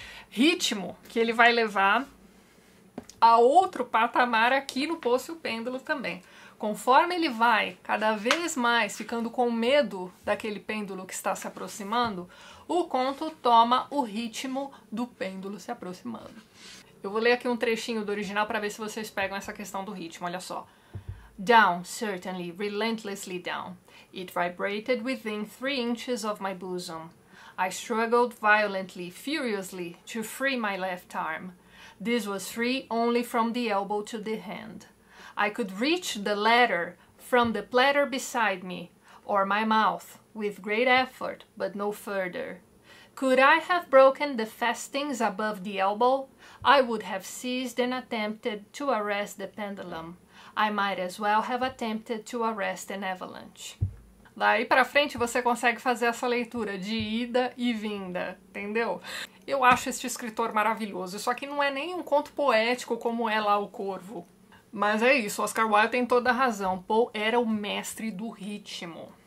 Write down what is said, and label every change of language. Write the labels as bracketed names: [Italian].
[Portuguese] Ritmo que ele vai levar a outro patamar aqui no Poço e o Pêndulo também. Conforme ele vai cada vez mais ficando com medo daquele pêndulo que está se aproximando, o conto toma o ritmo do pêndulo se aproximando. Eu vou ler aqui um trechinho do original para ver se vocês pegam essa questão do ritmo, olha só. [English] Down, certainly, relentlessly down. It vibrated within 3 inches of my bosom. I struggled violently, furiously, to free my left arm. This was free only from the elbow to the hand. I could reach the letter from the platter beside me, or my mouth, with great effort, but no further. Could I have broken the fastenings above the elbow? I would have seized and attempted to arrest the pendulum. I might as well have attempted to arrest an avalanche. [Portuguese] Daí pra frente você consegue fazer essa leitura de ida e vinda, entendeu? Eu acho este escritor maravilhoso. Isso aqui não é nem um conto poético como é lá o Corvo. Mas é isso, Oscar Wilde tem toda a razão. Poe era o mestre do ritmo.